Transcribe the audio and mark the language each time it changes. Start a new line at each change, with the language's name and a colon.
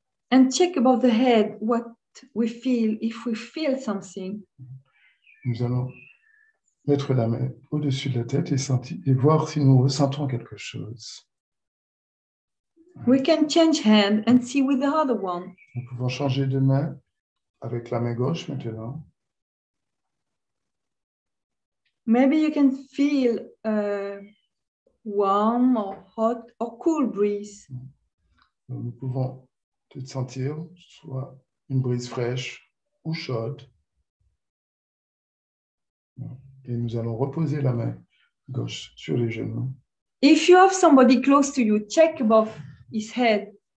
English: And check about the head what we feel, if we feel something.
French: Nous allons mettre la main au-dessus de la tête et sentir et voir si nous ressentons quelque chose.
English: We can change hand and see with the other one.
French: Nous pouvons changer de main avec la main gauche maintenant.
English: Maybe you can feel a warm or hot or cool breeze.
French: Donc nous pouvons peut-être sentir soit une brise fraîche ou chaude. Et nous allons reposer la main gauche sur les genoux.
English: If you have somebody close to you, check above his head.